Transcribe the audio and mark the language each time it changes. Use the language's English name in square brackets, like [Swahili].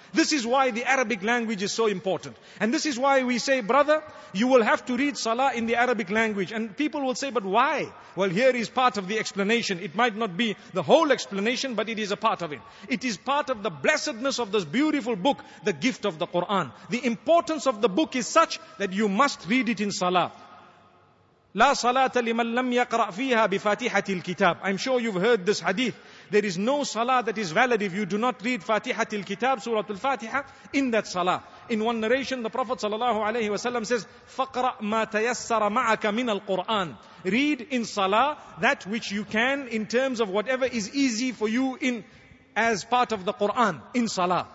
[English] This is why the Arabic language is so important. And this is why we say, brother, you will have to read Salah in the Arabic language. And people will say, but why? Well, here is part of the explanation. It might not be the whole explanation, but it is a part of it. It is part of the blessedness of this beautiful book, the gift of the Quran. The importance of the book is such that you must read it in Salah. [Arabic] لا صلاة لمن لم يقرأ فيها بفاتحة الكتاب. [English] I'm sure you've heard this hadith. There is no salah that is valid if you do not read Fatihat al-Kitab, Surah al-Fatiha, in that salah. In one narration, the Prophet sallallahu alayhi wa sallam says, [Arabic] فَقْرَأْ مَا تَيَسَّرَ مَعَكَ مِنَ الْقُرْآنِ. [English] Read in salah that which you can in terms of whatever is easy for you in as part of the Qur'an, in salah.